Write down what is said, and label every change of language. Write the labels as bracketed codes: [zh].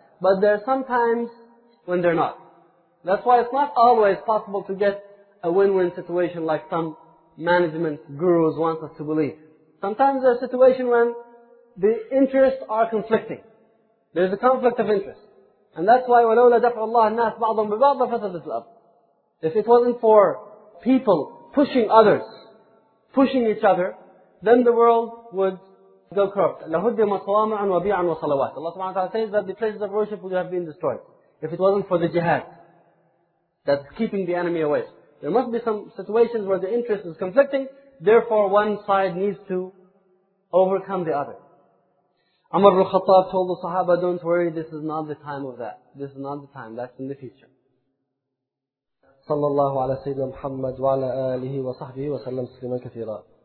[en] But there are some times when they're not. That's why it's not always possible to get a win-win situation like some management gurus want us to believe. Sometimes there's a situation when the interests are conflicting. There's a conflict of interest. And that's why, [ar] وَلَوْلَا دَفْعُ اللَّهَ النَّاسَ بَعْضًا بِبَعْضًا فَسَدَتِ الْأَرْضُ. [en] If it wasn't for people pushing others, pushing each other, then the world would go corrupt. [ar] لَهُدِّمَتْ صَوَامِعًا وَبِيعًا وَصَلَوَاتٍ. [en] Allah subhanahu wa ta'ala says that the places of worship would have been destroyed. If it wasn't for the jihad, that's keeping the enemy away. There must be some situations where the interest is conflicting, therefore one side needs to overcome the other. Umar al-Khattab told the Sahaba, don't worry, this is not the time of that. This is not the time, that's in the future. [ar] صلى الله على سيدنا محمد وعلى آله وصحبه وسلم تسليما كثيرا.